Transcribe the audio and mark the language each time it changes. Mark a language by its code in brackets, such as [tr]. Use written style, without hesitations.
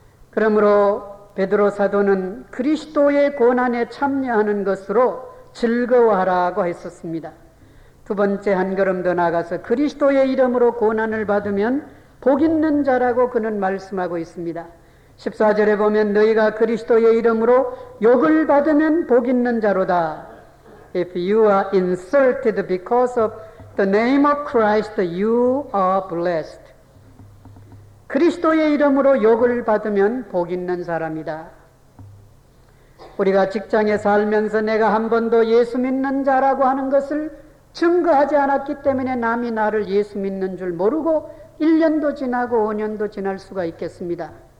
[ko] 그러므로 베드로 사도는 그리스도의 고난에 참여하는 것으로 즐거워하라고 했었습니다. 두 번째 한 걸음 더 나가서 그리스도의 이름으로 고난을 받으면 복 있는 자라고 그는 말씀하고 있습니다. 14절에 보면 너희가 그리스도의 이름으로 욕을 받으면 복 있는 자로다. [en] If you are insulted because of the name of Christ, you are blessed. [ko] 그리스도의 이름으로 욕을 받으면 복 있는 사람이다. 우리가 직장에 살면서 내가 한 번도 예수 믿는 자라고 하는 것을 증거하지 않았기 때문에 남이 나를 예수 믿는 줄 모르고 1년도 지나고 5년도 지날 수가 있겠습니다.